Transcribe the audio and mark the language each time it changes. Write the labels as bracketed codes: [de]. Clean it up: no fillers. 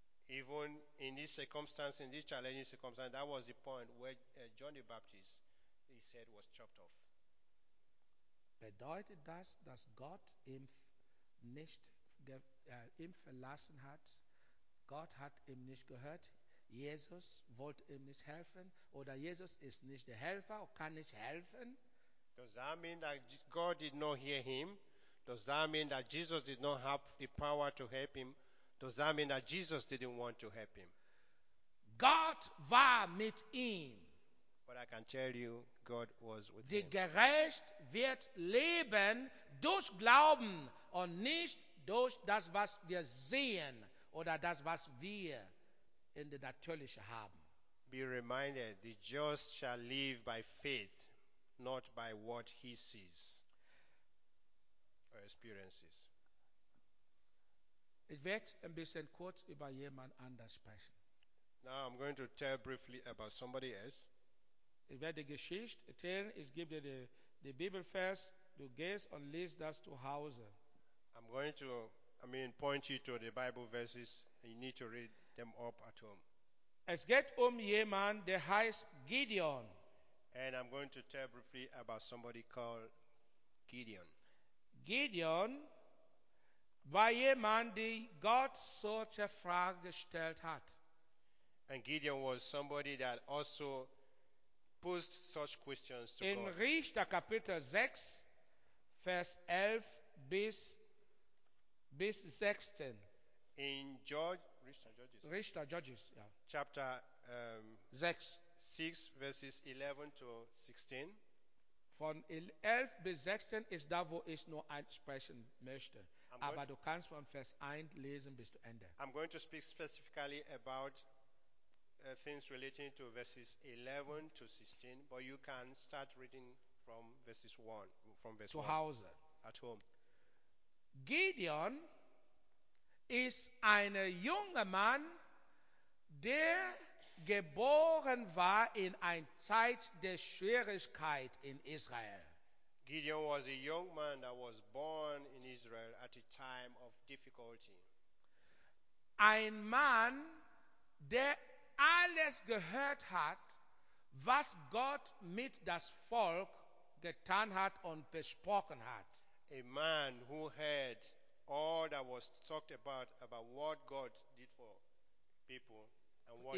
[en] Even in this circumstance, in this challenging circumstance, that was the point where John the Baptist, his head was chopped off. [de] Bedeutet das, dass Gott ihm nicht ihm verlassen hat? Gott hat ihm nicht gehört? Jesus wollte ihm nicht helfen? Oder Jesus ist nicht der Helfer und kann nicht helfen? [en] Does that mean that God did not hear him? Does that mean that Jesus did not have the power to help him? Does that mean that Jesus didn't want to help him? [de] Gott war mit ihm. [en] But I can tell you, God was with him. [de] Die Gerecht wird leben durch Glauben und nicht durch das, was wir sehen oder das, was wir in der Natürlichen haben. [en] Be reminded, the just shall live by faith, not by what he sees or experiences. [de] Ich werde ein bisschen kurz über jemand anders sprechen. [en] Now I'm going to tell briefly about somebody else. [de] Ich werde die Geschichte erzählen, ich gebe dir die Bibelvers, du gehst und liest das zu Hause. [en] I'm going to, point you to the Bible verses, you need to read them up at home. [de] Es geht jemand, der heißt Gideon. [en] And I'm going to tell briefly about somebody called Gideon. [de] Gideon war jemand, der Gott solche Frage gestellt hat. [en] And Gideon was somebody that also posed such questions to in God. [de] Richter Kapitel 6, Vers 11 bis 16. [en] In Richter Judges, [de] ja. [en] Chapter 6, verses 11 to 16. [de] Von 11 bis 16 ist da, wo ich nur ansprechen möchte. Aber du kannst von Vers 1 lesen bis zu Ende. [en] I'm going to speak specifically about things relating to verses 11 to 16, but you can start reading from verses 1, from verse 1. [de] To Hause. [en] At home. [de] Gideon ist ein junger Mann, der geboren war in ein Zeit der Schwierigkeit in Israel. [en] Gideon was a young man that was born in Israel at a time of difficulty. [de] Ein Mann, der alles gehört hat, was Gott mit das Volk getan hat und besprochen hat. [en] A man who heard all that was talked about what God did for people and what